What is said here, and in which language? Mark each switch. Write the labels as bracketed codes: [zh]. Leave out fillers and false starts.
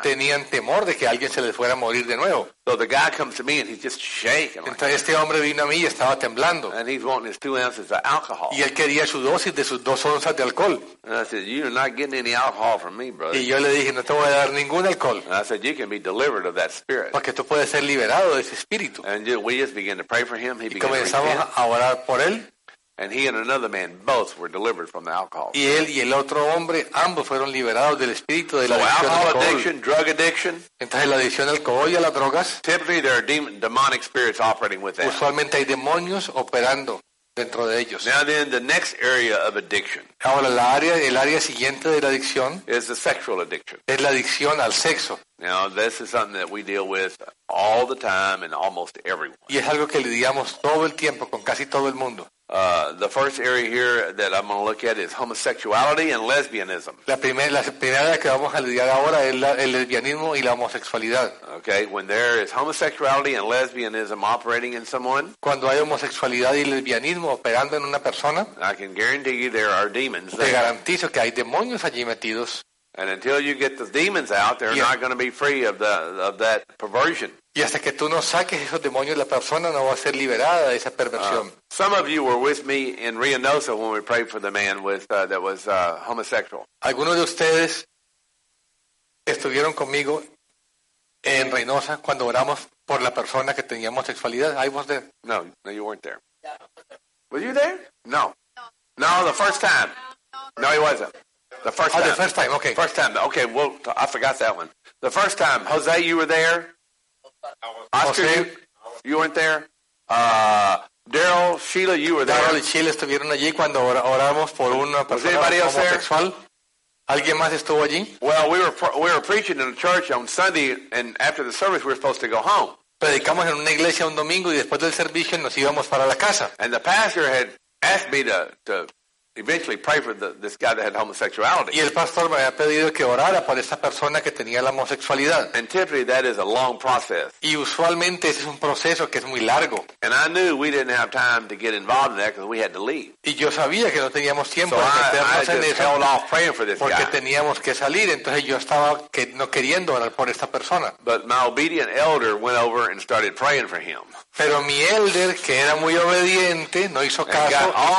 [es] Tenían temor de que alguien se les fuera a morir de nuevo. [en] So the guy comes to me and he's just shaking. [es] Entonces este hombre vino a mí y estaba temblando. [en] And he's wanting his 2 ounces of alcohol. [es] Y él quería su dosis de sus 2 onzas de alcohol. [en] And I said, "You're not getting any alcohol from me, brother." [es] Y yo le dije, "No te voy a dar ningún alcohol." [en] And I said, "You can be delivered of that spirit." [es] Porque tú puedes ser liberado de ese espíritu. [en] And we just began to pray for him. He [es] y comenzamos a orar por él. [en] And he and another man both were delivered from the alcohol. [es] Y él y el otro hombre, ambos fueron liberados del espíritu de la adicción al [en] alcohol. Addiction, drug addiction. [es] Entonces la adicción al alcohol y a las drogas. [en] Typically there are demonic spirits operating with that. [es] Usualmente hay demonios operando dentro de ellos. [en] Now then, the next area of addiction. [es] Ahora el área siguiente de la adicción. [en] Is the sexual addiction. [es] Es la adicción al sexo. [en] Now this is something that we deal with all the time and almost everyone. [es] Y es algo que lidiamos todo el tiempo con casi todo el mundo. [en] The first area here that I'm going to look at is homosexuality and lesbianism. [es] La primera que vamos a lidiar ahora es el lesbianismo y la homosexualidad. [en] Okay, when there is homosexuality and lesbianism operating in someone, [es] cuando hay homosexualidad y lesbianismo operando en una persona, [en] I can guarantee you there are demons there. [es] Te garantizo que hay demonios allí metidos. [en] And until you get the demons out, they're not going to be free of that perversion. [es] Y hasta que tú no saques esos demonios, la persona no va a ser liberada de esa perversión. [en] Some of you were with me in Reynosa when we prayed for the man that was homosexual. [es] Algunos de ustedes estuvieron conmigo en Reynosa cuando oramos por la persona que tenía homosexualidad. [en] I was there. No, you weren't there. Were you there? No. No, the first time. No, he wasn't. The first time. Oh, the first time, okay. First time, okay, well, I forgot that one. The first time, Jose, you were there. Oscar, you weren't there. Daryl, Sheila, you were there. [es] Daryl y Sheila estuvieron allí cuando oramos por una persona homosexual. ¿Alguien más estuvo allí? [en] Well, we were preaching in a church on Sunday, and after the service we were supposed to go home. [es] Predicamos en una iglesia un domingo y después del servicio nos íbamos para la casa. [en] And the pastor had asked me to eventually pray for this guy that had homosexuality. [es] Y el pastor me había pedido que orara por esta persona que tenía la homosexualidad. [en] And typically that is a long process. [es] Y usualmente ese es un proceso que es muy largo. [en] And I knew we didn't have time to get involved in that because we had to leave. [es] Y yo sabía que no teníamos tiempo [en] so [es] de meternos en eso. [en] I just held off praying for this [es] porque [en] guy. [es] Porque teníamos que salir, entonces yo estaba no queriendo orar por esta persona. [en] But my obedient elder went over and started praying for him. [es] Pero mi elder, que era muy obediente, no hizo caso.